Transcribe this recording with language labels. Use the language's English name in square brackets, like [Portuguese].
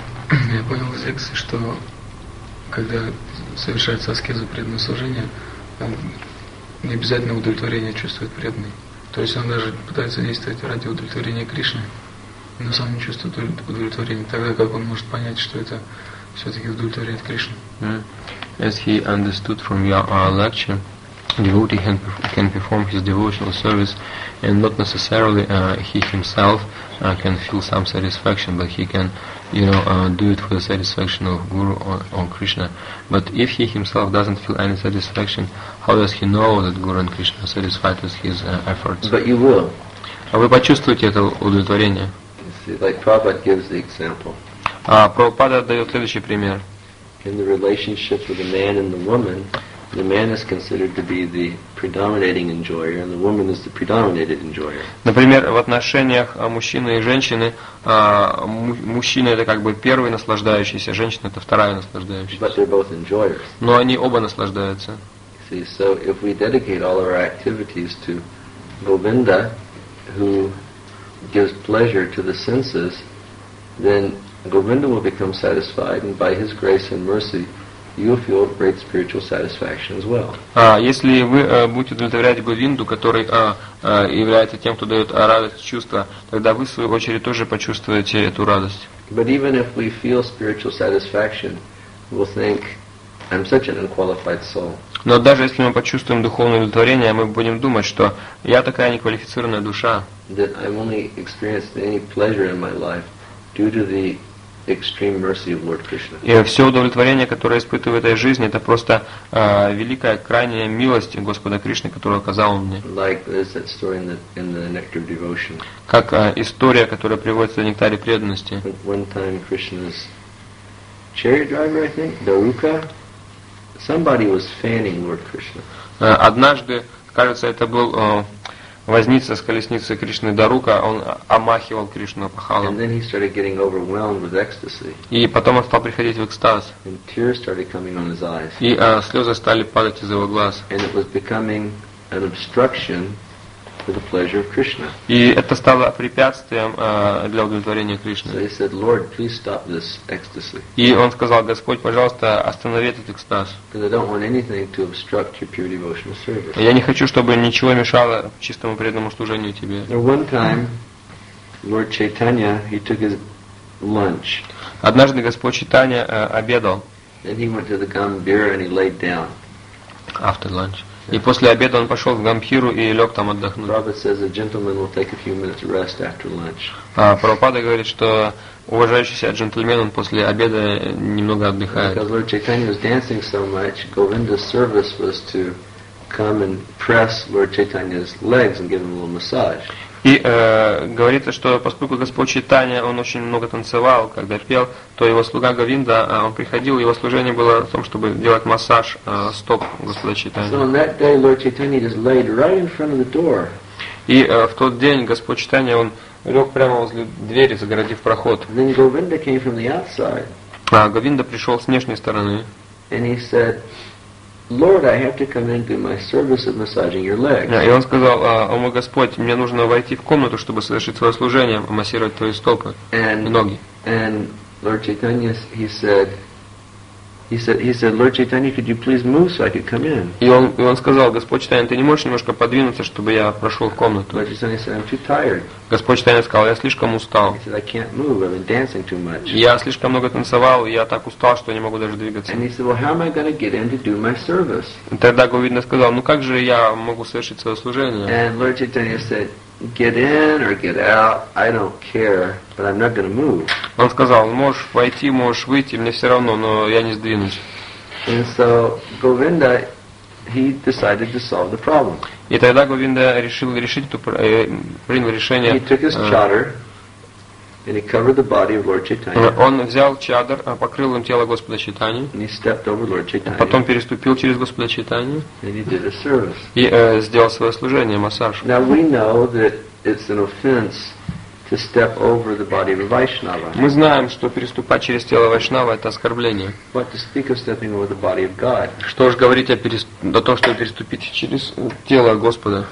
[Russian] Я понял из лекции, что когда совершается аскеза преданного служения, там не обязательно удовлетворение чувствует преданный. То есть он даже пытается действовать ради удовлетворения Кришны, но сам не чувствует удовлетворения. Тогда как он может понять, что это все-таки удовлетворяет Кришну? [English] As he understood from your lecture, devotee can perform his devotional service and not necessarily he himself can feel some satisfaction, but he can, you know, do it for the satisfaction of Guru or Krishna. But if he himself doesn't feel any satisfaction, how does he know that Guru and Krishna are satisfied with his efforts? But you will. [Russian] Вы почувствуете это удовлетворение? [English] Like Prabhupada gives the example. [Russian] Прабхупада дает следующий пример. [English] In the relationship with the man and the woman, the man is considered to be the predominating enjoyer, and the woman is the predominated enjoyer. [Russian] Например, в отношениях мужчины и женщины мужчина это как бы первый наслаждающийся, женщина это вторая наслаждающаяся. [English] But they're both enjoyers. [Russian] Но они оба наслаждаются. [English] See, so if we dedicate all our activities to Govinda, who gives pleasure to the senses, then Govinda will become satisfied, and by his grace and mercy, you'll feel great spiritual satisfaction as well. [Russian] Если вы будете удовлетворять Говинду, который является тем, кто дает радость, чувства, тогда вы, в свою очередь, тоже почувствуете эту радость. [English] But even if we feel spiritual satisfaction, we'll think, "I'm such an unqualified soul." [Russian] Но даже если мы почувствуем духовное удовлетворение, мы будем думать, что я такая неквалифицированная душа. [English] That I'm only experienced any pleasure in my life due to the extreme mercy of Lord Krishna. [Russian] И все удовлетворение, которое испытываю в этой жизни, это просто великая крайняя милость Господа Кришны, которую оказал он мне. [English] Like is that story in the Nectar of Devotion. [Russian] Как история, которая приводится в Нектаре преданности. [English] One time Krishna's chariot driver, I think, Daruka, somebody was fanning Lord Krishna. [Russian] Однажды, кажется, это был возница с колесницей Кришны Дарука, он омахивал Кришну пахалом. [English] And then he started getting overwhelmed with ecstasy. [Russian] И потом он стал приходить в экстаз. [English] And tears started coming on his eyes. [Russian] И слезы стали падать из его глаз. [English] And it was becoming an obstruction for the pleasure of Krishna. [Russian] И это стало препятствием для удовлетворения Кришны. [English] So he said, Lord, please stop this ecstasy. [Russian] И он сказал, Господь, пожалуйста, останови этот экстаз. [English] Because I don't want anything to obstruct your pure devotional service. [Russian] Я не хочу, чтобы ничего мешало чистому преданному служению тебе. [English] One time, Lord Chaitanya, he took his lunch. [Russian] Однажды Господь Чайтанья обедал. [English] And he went to the Gambhira and he laid down. After lunch. [Russian] И после обеда он пошел в Гамбхиру и лег там отдохнуть. [English] Prabhupada says a gentleman will take a few minutes rest after lunch. [Russian] Прабхупада говорит, что уважающийся джентльмен он после обеда немного отдыхает. [English] Because Lord Chaitanya was dancing so much, Govinda's service was to come and press Lord Chaitanya's legs and give him a little massage. [Russian] И говорится, что поскольку Господь Чайтанья, он очень много танцевал, когда пел, то его слуга Говинда, он приходил, его служение было в том, чтобы делать массаж стоп Господа Чайтанья. [English] So on that day, Lord Chaitanya just laid right in front of the door. [Russian] И в тот день Господь Чайтанья, он лег прямо возле двери, загородив проход. [English] And then Govinda came from the outside. [Russian] А Говинда пришел с внешней стороны. [English] And he said, Lord, I have to come into my service of massaging your legs. [Russian] И он сказал, о мой Господь, мне нужно войти в комнату, чтобы совершить свое служение, массировать твои стопы, ноги. [English] And Lord Chaitanya, he said, Lord Chaitanya, could you please move so I could come in? [Russian] И он сказал, Господь Чайтанья, ты не можешь немножко подвинуться, чтобы я прошел в комнату? [English] Lord Chaitanya said, I'm too tired. [Russian] Господь Чайтанья сказал, я слишком устал. [English] He said, I can't move, I've been dancing too much. [Russian] Я слишком много танцевал, я так устал, что не могу даже двигаться. [English] And he said, well, how am I going to get in to do my service? [Russian] Тогда Говинда сказал, ну как же я могу совершить свое служение? [English] And Lord Chaitanya said, get in or get out, I don't care, but I'm not going to move. [Russian] Он сказал, можешь войти, можешь выйти, мне все равно, но я не сдвинусь. [English] And so Govinda, he decided to solve the problem. [Russian] И тогда Говинда принял решение. [English] He took his chadar and he covered the body of Lord Chaitanya. [Russian] Он взял чадар, покрыл им тело Господа Чайтаньи. [English] And he stepped over Lord Chaitanya. [Russian] Потом переступил через Господа Чайтаньи. [English] And he did a service. [Russian] И сделал свое служение, массаж. [English] Now we know that it's an offense to step over the body of a Vaishnava. [Russian] Мы знаем, что переступать через тело Вайшнава это оскорбление. [English] But to speak of stepping over the body of God. [Russian] Что ж говорить о том, что переступить через тело Господа?